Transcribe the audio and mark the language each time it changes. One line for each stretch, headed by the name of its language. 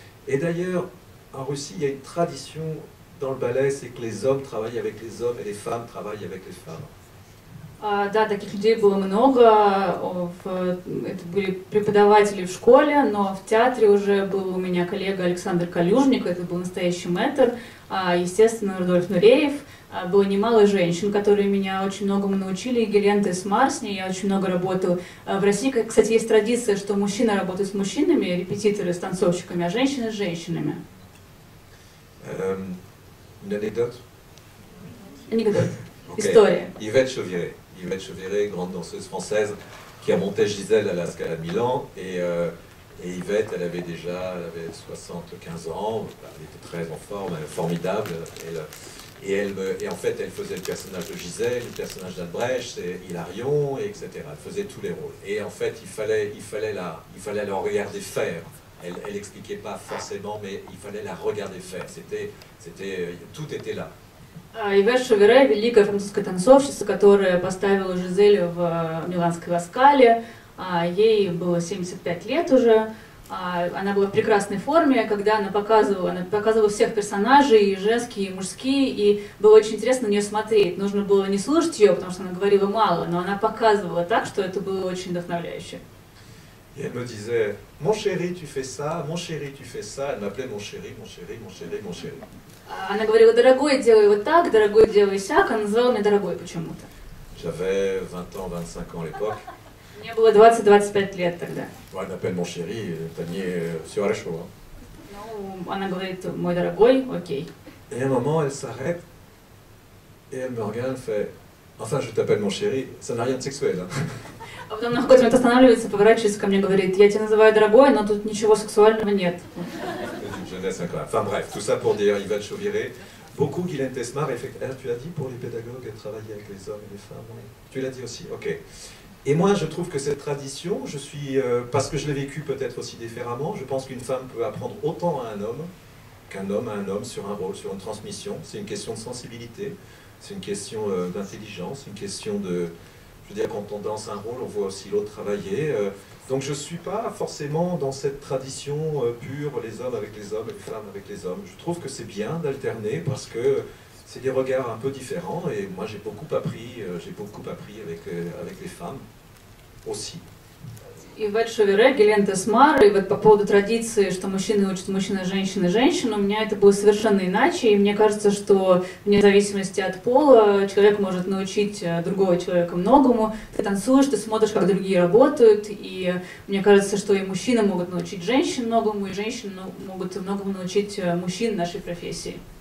French: Et d'ailleurs, en Russie, il y a une tradition dans le ballet, c'est que les hommes travaillent avec les hommes et les femmes travaillent avec les femmes.
Russian: Да, таких людей было много. Это были преподаватели в школе, но в театре уже был у меня коллега Александр Калюжник, это был настоящий мэтр. Естественно, Рудольф Нуреев. Было немало женщин, которые меня очень многому научили, и Гелен Тесмар, с ней я очень много работала. В России, кстати, есть традиция, что мужчины работают с мужчинами, репетиторы с танцовщиками, а женщины с женщинами. Анекдот? Анекдот. История.
French: Yvette Chauviré. Yvette Chauviré, grande danseuse française, qui a monté Gisèle à la Scala de Milan, et Yvette, elle avait déjà 75 ans, elle était très en forme, formidable, elle faisait le personnage de Gisèle, le personnage d'Albrecht, et Hilarion, et etc. Elle faisait tous les rôles. Et en fait, il fallait la regarder faire. Elle n'expliquait pas forcément, mais il fallait la regarder faire. Tout était là.
Russian: Yvette Chauviré, великая французская танцовщица, которая поставила Жизель в Миланской Ласкале. Ей было 75 лет уже. Она была в прекрасной форме, когда она показывала всех персонажей, и женские, и мужские, и было очень интересно на нее смотреть. Нужно было не слушать ее, потому что она говорила мало, но она показывала так, что это было очень вдохновляюще. И она
French: disait: «Mon chéri, tu fais ça, mon chéri, tu fais ça».
Russian: Она
French: m'appelait «Mon chéri, mon chéri, mon chéri, mon chéri».
Russian: Она говорила: «Дорогой, делай вот так, дорогой, делай сяк». Она называла меня «дорогой» почему-то.
French: J'avais 20 ans, 25 ans à l'époque.
Russian: Мне было 20-25 лет тогда.
French: Ouais, elle m'appelle mon chéri,
Russian: это не все хорошо. Ну, она говорит: «Мой дорогой, окей».
French: Et à un moment, elle s'arrête, et elle me regarde, elle fait: «Enfin, je t'appelle mon chéri». Ça n'a rien de sexuel.
Russian: А потом на какой-то момент останавливается, поворачивается ко мне, говорит: «Я тебя называю дорогой, но тут ничего сексуального нет».
French: C'est une jeune classe incroyable. Enfin bref, tout ça pour dire, Yvan Chauviré. Beaucoup, Guylaine Tesmar, tu l'as dit pour les pédagogues, travailler avec les hommes et les femmes, oui. Tu l'as dit aussi, ok. Et moi, je trouve que cette tradition, je suis, parce que je l'ai vécue peut-être aussi différemment, je pense qu'une femme peut apprendre autant à un homme qu'un homme à un homme sur un rôle, sur une transmission. C'est une question de sensibilité, c'est une question d'intelligence, une question de... Je veux dire, quand on danse un rôle, on voit aussi l'autre travailler. Donc je ne suis pas forcément dans cette tradition pure, les hommes avec les hommes et les femmes avec les hommes. Je trouve que c'est bien d'alterner parce que c'est des regards un peu différents et moi j'ai beaucoup appris avec les femmes aussi.
Russian: Yvan Chauviré, Guylaine Tesmar, и вот по поводу традиции, что мужчины учат мужчина, женщина, женщина, у меня это было совершенно иначе, и мне кажется, что вне зависимости от пола человек может научить другого человека многому. Ты танцуешь, ты смотришь, как другие работают, и мне кажется, что и мужчины могут научить женщин многому, и женщины могут многому научить мужчин нашей профессии.